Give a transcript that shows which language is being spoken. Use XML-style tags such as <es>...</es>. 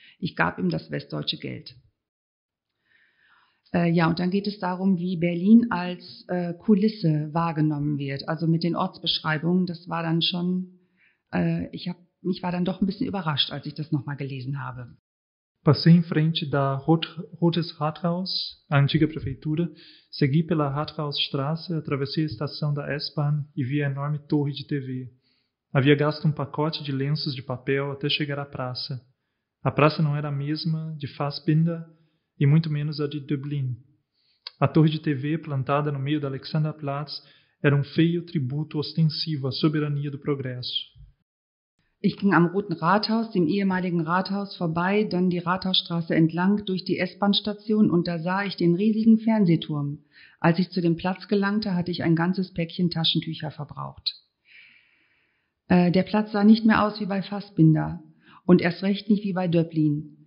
<de>Ich gab ihm das westdeutsche Geld. Ja, und dann geht es darum, wie Berlin als Kulisse wahrgenommen wird, also mit den Ortsbeschreibungen. Das war dann schon, mich war dann doch ein bisschen überrascht, als ich das nochmal gelesen habe.</de> <pt>Passei em frente da Rotes Rathaus, a antiga prefeitura, segui pela Rathausstraße, atravessei a estação da S-Bahn e vi a enorme torre de TV. Havia gasto um pacote de lenços de papel até chegar à praça. A praça não era a mesma de Fassbinder e muito menos a de Dublin. A torre de TV, plantada no meio da Alexanderplatz, era um feio tributo ostensivo à soberania do progresso.</pt> <de>Ich ging am Roten Rathaus, dem ehemaligen Rathaus, vorbei, dann die Rathausstraße entlang, durch die S-Bahn-Station und da sah ich den riesigen Fernsehturm. Als ich zu dem Platz gelangte, hatte ich ein ganzes Päckchen Taschentücher verbraucht. Der Platz sah nicht mehr aus wie bei Fassbinder und erst recht nicht wie bei Döblin.</de>